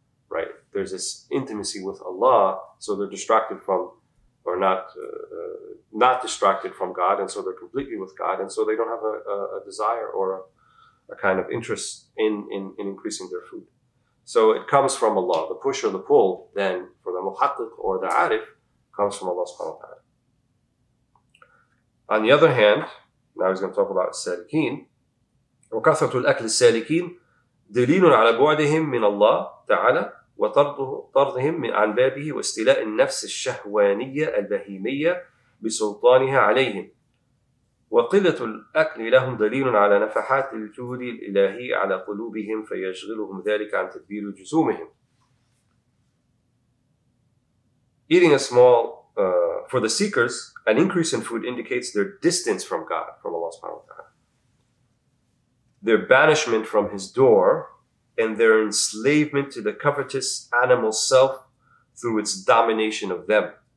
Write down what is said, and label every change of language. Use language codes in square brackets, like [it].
[en] Right, there's this intimacy with Allah, so they're distracted from, or not distracted from God, and so they're completely with God, and so they don't have a desire or a kind of interest in increasing their food. So it comes from Allah. The push or the pull, then, for the muhattiq or the arif, comes from Allah subhanahu wa ta'ala. On the other hand, now he's going to talk about salikin. [ar] وَكَثَرْتُ الْأَكْلِ السَّالِكِينَ دَلِيلٌ عَلَى بُعْدِهِمْ مِنَ اللَّهِ تَعَالَى وَطَرْضِهِمْ مِنْ عَنْ بَابِهِ وَاسْتِلَاءِ النَّفْسِ الشَّهْوَانِيَّةِ الْبَهِيمِيَّةِ بِسُلْطَانِهَا عَلَيْهِمْ وقلة الأكل لهم دليل على نفحات الجود الإلهي على قلوبهم فيشغلهم ذلك عن تدبير جسومهم. [en] Eating a small, for the seekers, an increase in food indicates their distance from God, from Allah subhanahu wa ta'ala. Their banishment from His door and their enslavement to the covetous animal self through its domination of them.